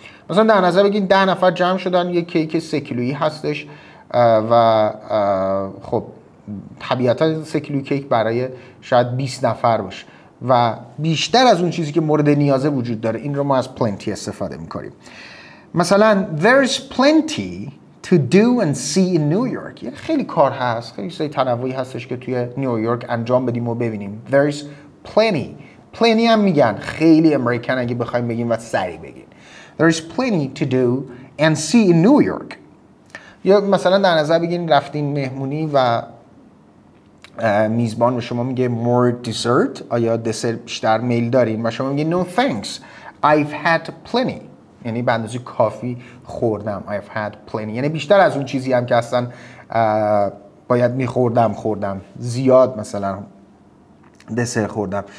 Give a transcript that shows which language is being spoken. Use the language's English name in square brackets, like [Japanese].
[Persian] مثلا در نظر بگید 10 نفر جمع شدن، یک کیک 3 کیلویی هستش و خب طبیعتا 3 کیلو کیک برای شاید 20 نفر باشه و بیشتر از اون چیزی که مورد نیازه وجود داره. این رو ما از plenty استفاده میکنیم. [English] مثلا there's plenty to do and see in New York. [Persian] یعنی خیلی کار هست، خیلی سری تنوعی هستش که توی نیویورک انجام بدیم و ببینیم. [English] there's plenty. [Persian] plenty هم میگن خیلی امریکن اگه بخوایم بگیم و سریع بگیم. [English] there's plenty to do and see in New York. [Persian] یا مثلا در نظر بگیم رفتین مهمونی و میزبان به شما میگه [English] more dessert، [Persian] آیا دسر بیشتر میل دارین؟ و شما میگه [English] no thanks I've had plenty، [Persian] یعنی به اندازه کافی خوردم. [English] I've had plenty [Persian] یعنی بیشتر از اون چیزی هم که اصلا باید میخوردم خوردم، زیاد مثلا دسر خوردم.